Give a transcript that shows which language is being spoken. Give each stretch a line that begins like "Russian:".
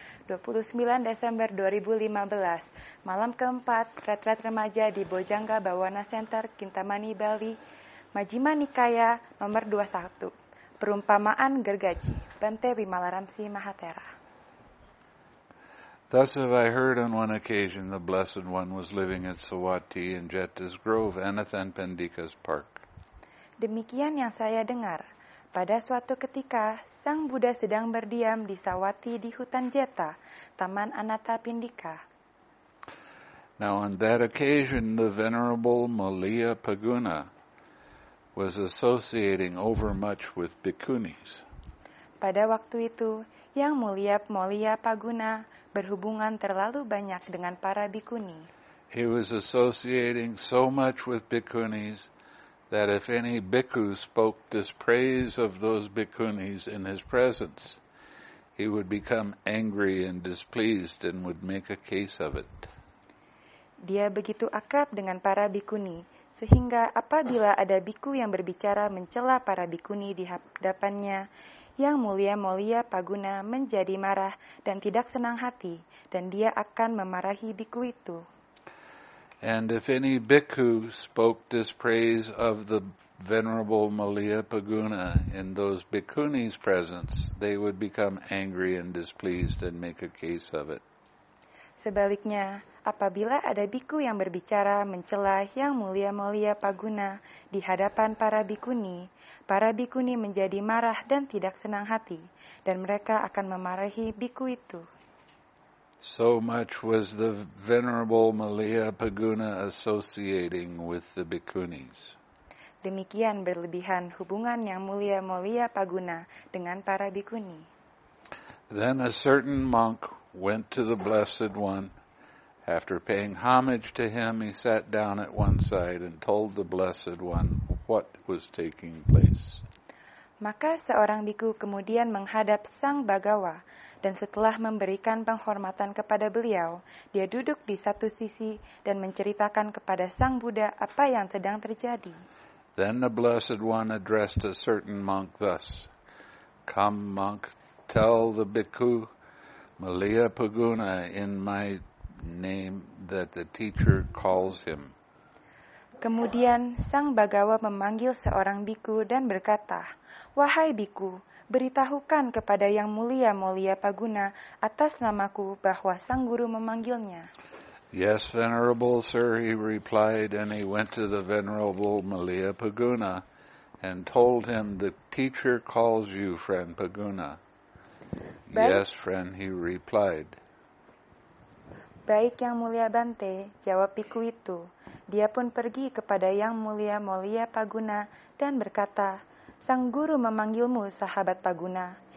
Indonesian: 29 Desember 2015, malam keempat, retret remaja di Bujangga Bawana Center, Kintamani, Bali, Majima Nikaya, nomor 21, perumpamaan gergaji, Bante Wimalaramsi Mahatera.
English: Thus have I heard on one occasion the Blessed One was living at Sawati in Jetta's Grove, Anathan Pandika's Park.
Indonesian: Demikian yang saya dengar. Pada suatu ketika, Sang Buddha sedang berdiam di Sawati di hutan Jetta, Taman Anatha Pindika.
English: Now on that occasion, the Venerable Maliya Paguna was associating overmuch with bhikkhunis.
Indonesian: Pada waktu itu, Yang Mulia Maliya Paguna berhubungan terlalu banyak dengan para bhikkhuni.
English: He was associating so much with bhikkhunis that if any bhikkhu spoke dispraise of those bhikkhunis in his presence, he would become angry and displeased and would make a case of it.
Indonesian: Dia begitu akrab dengan para bhikkhuni, sehingga apabila ada bhikkhu yang berbicara mencela para bhikkhuni di hadapannya, Yang Mulia Maliya Paguna menjadi marah dan tidak senang hati, dan dia akan memarahi bhikkhu itu.
English: And if any bhikkhu spoke dispraise of the Venerable Maliya Paguna in those bhikkhunis' presence, they would become angry and displeased and make a case of it.
Indonesian: Sebaliknya, apabila ada bhikkhu yang berbicara mencela Yang Mulia Maliya Paguna di hadapan para bhikkhuni menjadi marah dan tidak senang hati, dan mereka akan memarahi bhikkhu itu.
English: So much was the Venerable Maliya Paguna associating with the bhikkhunis.
Indonesian: Demikian berlebihan hubungan Yang Mulia Maliya Paguna dengan para bhikkhuni.
English: Then a certain monk went to the Blessed One. After paying homage to him, he sat down at one side and told the Blessed One what was taking place.
Indonesian: Maka seorang bhikkhu kemudian menghadap Sang Bhagawa, dan setelah memberikan penghormatan kepada beliau, dia duduk di satu sisi dan menceritakan kepada Sang Buddha apa yang sedang terjadi.
English: Then the Blessed One addressed a certain monk thus, "Come, monk, tell the bhikkhu Maliya Paguna in my name that the teacher calls him."
Indonesian: Kemudian Sang Bhagawa memanggil seorang bhikkhu dan berkata, "Wahai bhikkhu, beritahukan kepada Yang Mulia Maliya Paguna atas namaku bahwa Sang Guru memanggilnya."
English: "Yes, Venerable Sir," he replied, and he went to the Venerable Maliya Paguna and told him, "The teacher calls you, friend Paguna." "Yes, friend," he replied.
Indonesian: "Baik, Yang Mulia Bante," jawab bhikkhu itu. Dia pun pergi kepada Yang Mulia Maliya Paguna dan berkata, "Sang Guru memanggilmu, sahabat Paguna."